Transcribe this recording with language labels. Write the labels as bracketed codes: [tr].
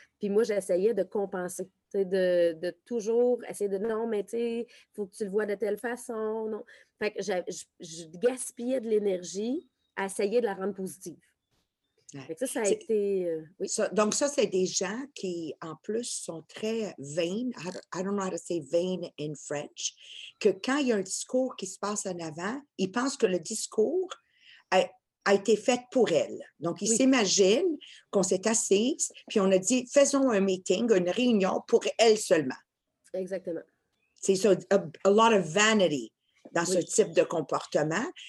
[fr] Puis moi, j'essayais de compenser, de toujours essayer de « non, mais tu sais, il faut que tu le vois de telle façon. » Non. Fait que je gaspillais de l'énergie à essayer de la rendre positive. Ouais. Ça a c'est, été. Oui. Ça, donc, ça, c'est des gens qui, en plus, sont très vain. [en] I don't know how to say vain in French. [fr] Que quand il y a un discours qui se passe en avant, ils pensent que le discours a été fait pour elles. Donc, ils s'imaginent qu'on s'est assises, puis on a dit faisons un meeting, une réunion pour elles seulement. Exactement. C'est ça, a lot of vanity dans ce type de comportement.